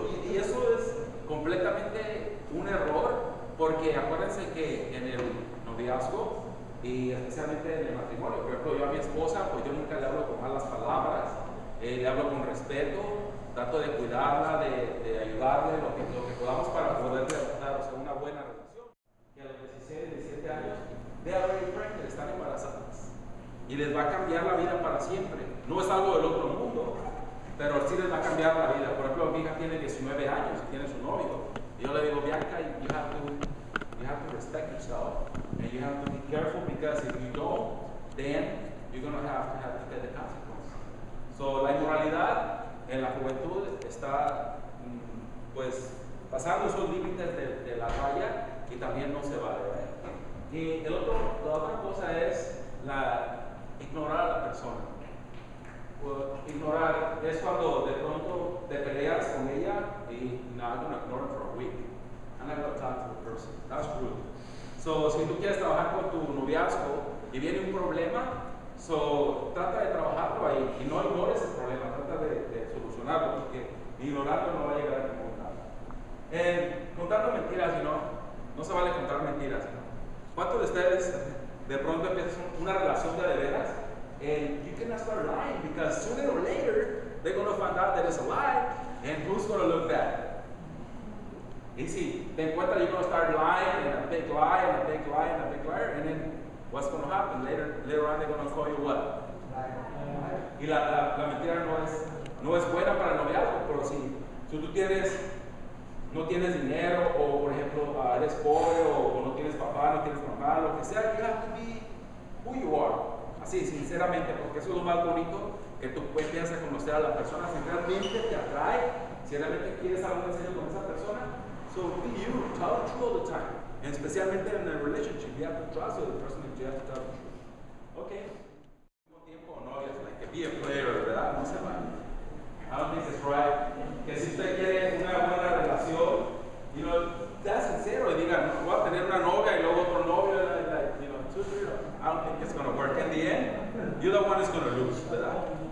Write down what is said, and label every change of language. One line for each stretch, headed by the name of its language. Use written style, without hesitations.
Spanish: Y eso es completamente un error, porque acuérdense que en el noviazgo, y especialmente en el matrimonio, por ejemplo, yo a mi esposa, pues yo nunca le hablo con malas palabras, le hablo con respeto, trato de cuidarla, de ayudarle, lo que podamos para poder dar, o sea, una buena relación. Y a los 16, 17 años, de haber pregnant, están embarazadas. Y les va a cambiar la vida para siempre. No es algo del otro mundo, pero sí les va a cambiar la vida. Por ejemplo, mi hija tiene 19 años y tiene su novio. Y yo le digo,
English: Bianca, you have to respect yourself. And you have to be careful because if you don't, then you're going to have to get the consequences.
Spanish: So, la inmoralidad en la juventud está, pues, pasando esos límites de la raya y también no se va a ver. Y la otra cosa es ignorar a la persona. Ignorar es cuando de pronto te peleas con ella y no,
English: I'm gonna ignore her for a week. I'm not gonna talk to the person.
Spanish: So, si tú quieres trabajar con tu noviazgo y viene un problema, so, trata de trabajarlo ahí y no ignores el problema, trata de solucionarlo, porque ignorarlo no va a llegar a ningún lado. Contando mentiras,
English: you know,
Spanish: no se vale contar mentiras. ¿Cuántos de ustedes de pronto empiezan una relación de veras?
English: You cannot start lying, because sooner or later, they're going to find out that it's a lie, and who's going to look bad?
Spanish: Y si te encuentras,
English: you're going to start lying, and a big lie, and a big lie, and a big liar, and then what's going to happen? Later on, they're going to call you what?
Spanish: Y la mentira no es buena para el noviazgo, pero si tú tienes, no tienes dinero, o por ejemplo, eres pobre, o no tienes papá, no tienes mamá, lo que sea,
English: you have to be who you are.
Spanish: Así, sinceramente, porque eso es lo más bonito, que tú empiezas a conocer a la persona, si realmente te atrae, si realmente quieres algo en serio con esa persona.
English: So be you, tell the truth all the time. And especialmente in a relationship, you have to trust the person that you have to tell the truth. Okay.
Spanish: Como tiempo o novias,
English: like be a player,
Spanish: ¿verdad? No se vale.
English: I don't think it's right.
Spanish: Que si usted quiere una buena relación, you know, sea sincero y diga, no, voy a tener una novia y luego otro novio,
English: like, you know, two, three, I don't think it's going to work. In the end, you're the one that's going to lose, ¿verdad?